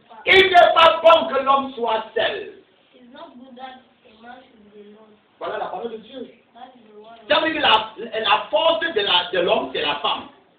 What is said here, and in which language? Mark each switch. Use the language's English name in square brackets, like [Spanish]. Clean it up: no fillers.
[French] part. Il n'est pas bon que l'homme soit seul. [English] It's not good that a man should be alone. [French] Voilà la parole de Dieu. [English] That is the word. [French] Ça veut dire la force de l'homme, c'est la femme.